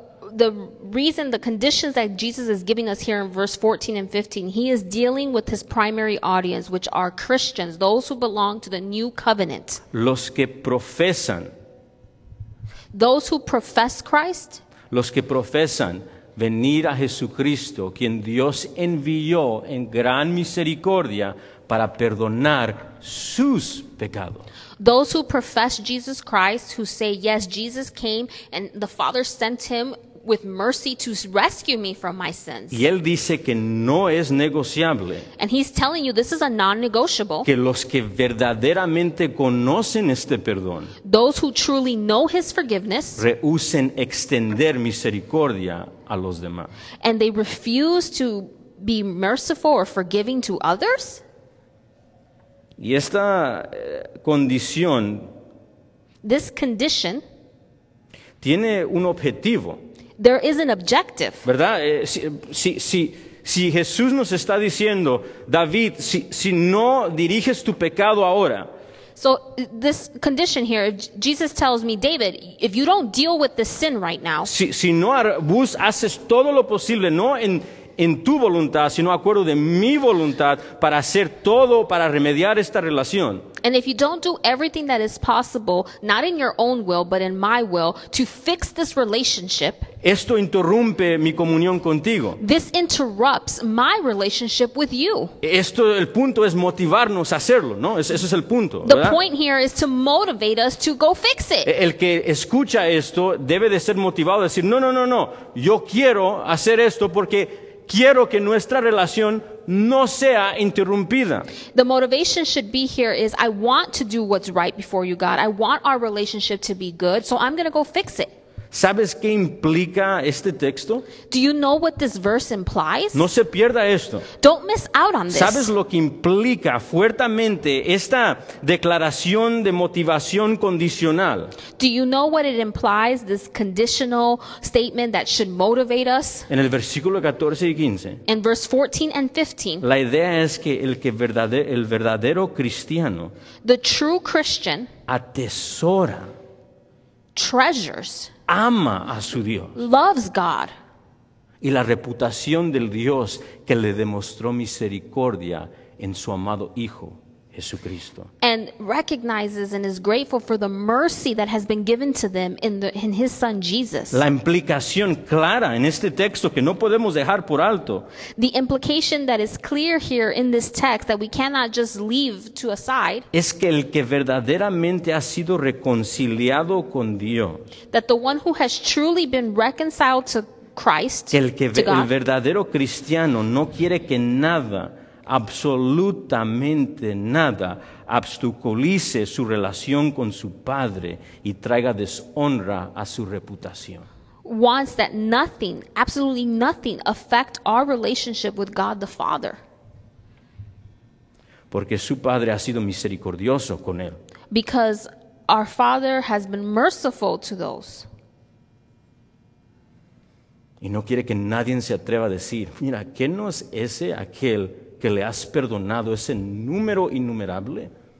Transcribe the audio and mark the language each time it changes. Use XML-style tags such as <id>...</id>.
<en>The reason, the conditions that Jesus is giving us here in verse 14 and 15, he is dealing with his primary audience, which are Christians, those who belong to the new covenant.</en> <es>Los que profesan.</es> <en>Those who profess Christ.</en> <es>Los que profesan. Venir a Jesucristo, quien Dios envió en gran misericordia para perdonar sus pecados.</es> <en>Those who profess Jesus Christ, who say, yes, Jesus came and the Father sent him with mercy to rescue me from my sins.</en> <es>Y él dice que no es negociable.</es> <en>And he's telling you this is a non-negotiable.</en> <es>Que los que verdaderamente conocen este perdón.</es> <en>Those who truly know his forgiveness.</en> <es>Rehúsen extender misericordia a los demás.</es> <en>And they refuse to be merciful or forgiving to others.</en> <es>Y esta condición.</es> <en>This condition.</en> <es>Tiene un objetivo.</es> <en>There is an objective.</en> <es>¿Verdad? Si Jesús nos está diciendo, David, si no diriges tu pecado ahora.</es> <en>So this condition here, if Jesus tells me, David, if you don't deal with this sin right now,</en> <es>si no haces todo lo posible, no en tu voluntad, sino acuerdo de mi voluntad para hacer todo para remediar esta relación.</es> <en>And if you don't do everything that is possible, not in your own will, but in my will, to fix this relationship,</en> <es>esto interrumpe mi comunión contigo.</es> <en>This interrupts my relationship with you.</en> <es>Esto, el punto es motivarnos a hacerlo, ¿no? Ese es el punto,</es> <en>¿verdad? The point here is to motivate us to go fix it.</en> <es>El que escucha esto debe de ser motivado a decir, no, yo quiero hacer esto porque quiero que nuestra relación no sea interrumpida.</es> <en>The motivation should be here is I want to do what's right before you, God. I want our relationship to be good, so I'm going to go fix it.</en> <es>¿Sabes qué implica este texto?</es> <en>Do you know what this verse implies?</en> <es>No se pierda esto.</es> <en>Don't miss out on this.</en> <es>¿Sabes lo que implica fuertemente esta declaración de motivación condicional?</es> <en>Do you know what it implies, this conditional statement that should motivate us?</en> <es>En el versículo 14 y 15.</es> <en>In verse 14 and 15.</en> <es>La idea es que el verdadero cristiano,</es> <en>the true Christian,</en> <es>atesora,</es> <en>treasures,</en> <es>ama a su Dios.</es> <en>Loves God.</en> <es>Y la reputación del Dios que le demostró misericordia en su amado Hijo, Jesucristo.</es> <en>And recognizes and is grateful for the mercy that has been given to them in his son Jesus.</en> <es>La implicación clara en este texto que no podemos dejar por alto.</es> <en>The implication that is clear here in this text that we cannot just leave to aside.</en> <es>Es que el que verdaderamente ha sido reconciliado con Dios.</es> <en>That the one who has truly been reconciled to Christ,</en> <es>el que</es> <en>to God,</en> <es>el verdadero cristiano no quiere que nada, absolutamente nada, obstaculice su relación con su padre y traiga deshonra a su reputación.</es> <en>Wants that nothing, absolutely nothing, affect our relationship with God the Father.</en> <es>Porque su padre ha sido misericordioso con él.</es> <en>Because our Father has been merciful to those.</en> <es>Y no quiere que nadie se atreva a decir, mira, ¿qué no es ese aquel que le has perdonado ese número innumerable?</es>